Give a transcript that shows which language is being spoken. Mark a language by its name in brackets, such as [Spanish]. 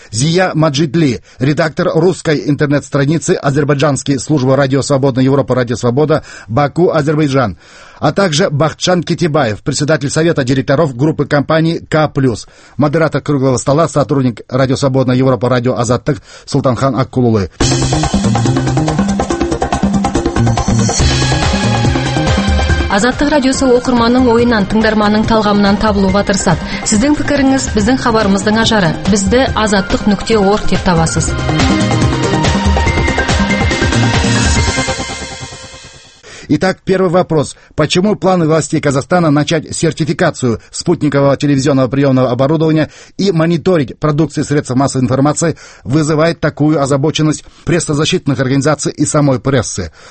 [Russian] Зия Маджидли, редактор русской интернет-страницы «Азербайджанской службы «Радио Свободна Европа», «Радио Свобода», Баку, Азербайджан. А также Бахчан Китибаев, председатель совета директоров группы компаний К+, модератор круглого стола, сотрудник Радио Свободна Европа, Радио Азаттык, Сұлтанхан Аққұлұлы. [Kazakh] Азаттық радиосы оқырманның ойынан, тыңдарманның талғамынан табылуға тырысады. Сіздің пікіріңіз біздің хабарымыздың ажары. Бізді azattik.org деп табасыз. [Russian] Итак, первый вопрос. Почему планы властей Казахстана начать сертификацию спутникового телевизионного приемного оборудования и мониторить продукции средств массовой информации вызывает такую озабоченность прессозащитных организаций и самой прессы?